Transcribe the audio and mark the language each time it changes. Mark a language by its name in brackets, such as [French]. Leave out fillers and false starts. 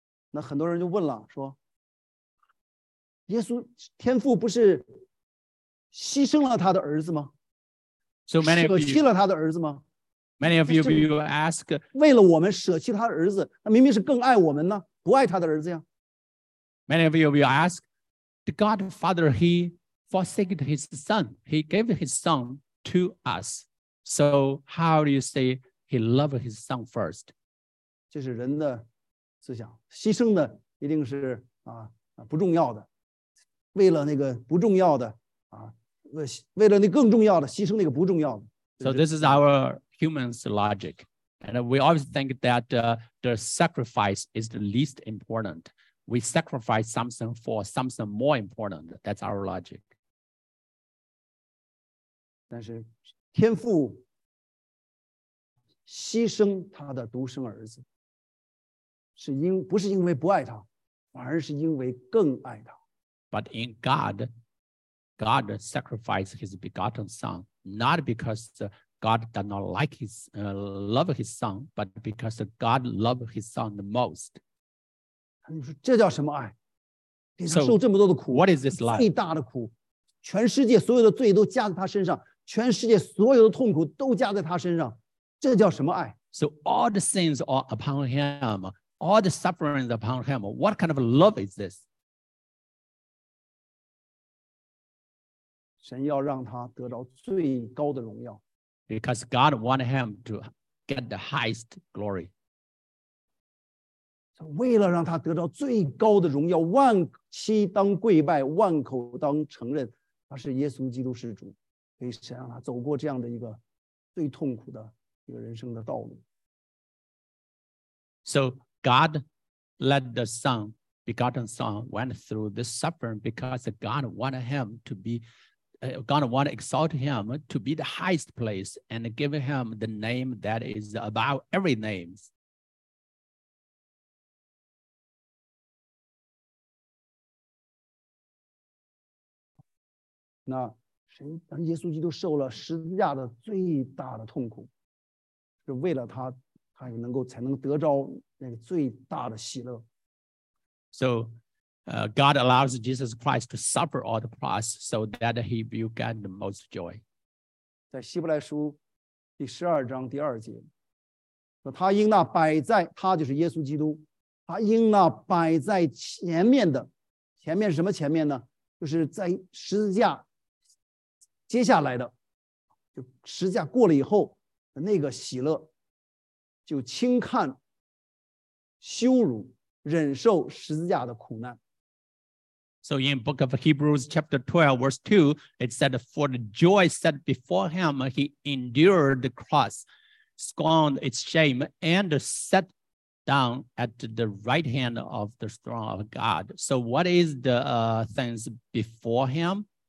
[Chinese] 那很多人就问了，说。耶稣天父不是牺牲了他的儿子吗？舍弃了他的儿子吗？ [English] Many of you will ask, [Chinese] 为了我们舍弃他的儿子，那明明是更爱我们呢，不爱他的儿子呀。 [English] Many of you will ask, the God Father, he forsaked his son. He gave his son to us. So how do you say he loved his son first? [Chinese] 这是人的思想，牺牲的一定是不重要的，为了那个不重要的为了那更重要的牺牲那个不重要的。 [English] So this is our human's logic. And we always think that the sacrifice is the least important. We sacrifice something for something more important. That's our logic. [Chinese] 但是天父牺牲他的独生儿子不是因为不爱他，反而是因为更爱他。 [English] But in God, God sacrificed his begotten son, not because God does not like his, love his son, but because God loved his son the most. [Chinese] 你说这叫什么爱？你受这么多的苦， [English] so, what is this love? [Chinese] 最大的苦，全世界所有的罪都加在他身上，全世界所有的痛苦都加在他身上，这叫什么爱？ [English] So all the sins are upon him, all the sufferings upon him. What kind of love is this? [Chinese] 神要让他得到最高的荣耀。 [English] Because God wanted him to get the highest glory. [Chinese] 为了让他得到最高的荣耀，万膝当跪拜，万口当承认，他是耶稣基督是主，所以神让他走过这样的一个最痛苦的一个人生的道路。 [English] So God let the Son, begotten Son, went through this suffering because God wanted him to be. God want to exalt him to be the highest place and give him the name that is above every name. [Chinese] 那神当耶稣基督受了十字架的最大的痛苦，是为了他能够才能得着那个最大的喜乐。 [English] So. God allows Jesus Christ to suffer all the cross so that he will get the most joy. [Chinese] 在希伯来书第十二章第二节，说他因那摆在他就是耶稣基督，他因那摆在前面的，前面什么前面呢？就是在十字架接下来的，就十字架过了以后的那个喜乐，就轻看羞辱，忍受十字架的苦难。 [English] So in book of Hebrews chapter 12 verse 2, it said, For the joy set before him, he endured the cross, scorned its shame, and sat down at the right hand of the throne of God. So what is the things before him?